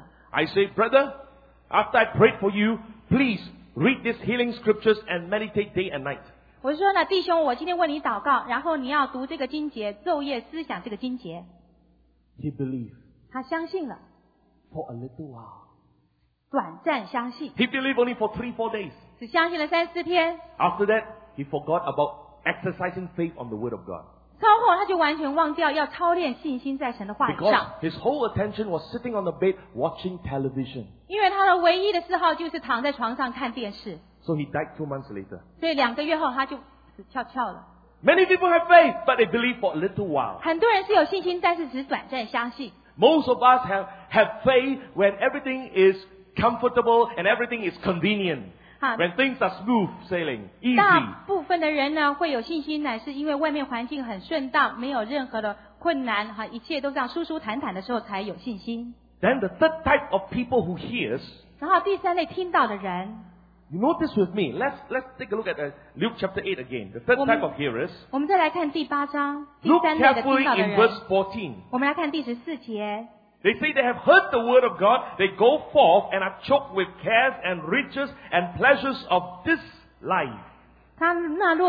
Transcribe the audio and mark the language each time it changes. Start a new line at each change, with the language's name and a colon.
English: I say, brother, after I prayed for you, please read these healing scriptures and meditate day and night.
Chinese: 我说呢,弟兄,我今天为你祷告,然后你要读这个经节,昼夜思想这个经节。
English: He believed.
Chinese: 他相信了,
English: for a little while.
Chinese: 短暂相信,
English: he believed only for 3-4 days.
Chinese: 只相信了3-4天,
English: after that, he forgot about exercising faith on the word of God.
Chinese: 超后他就完全忘掉要操练信心在神的话语上。
English: Because his whole attention was sitting on the bed watching television.
Chinese: 因为他的唯一的嗜好就是躺在床上看电视。
English: So he died 2 months later.
Chinese: 所以两个月后他就死翘翘了。
English: Many people have faith, but they believe for a little while.
Chinese: 很多人是有信心,但是只短暂相信。
English: Most of us have faith when everything is comfortable and everything is convenient. When things are smooth sailing, easy.
Chinese: 大部分的人呢,会有信心呢,是因为外面环境很顺当,没有任何的困难,一切都这样舒舒坦坦的时候才有信心。
English: Then the third type of people who hears.
Chinese: 然后第三类听到的人,
English: you notice with me, let's take a look at Luke chapter 8 again. The third type of hearers.
Chinese: 我们再来看第八章,
English: look carefully in verse 14.
Chinese: 我们来看第14节,
English: they say they have heard the word of God, they go forth and are choked with cares and riches and pleasures of this life.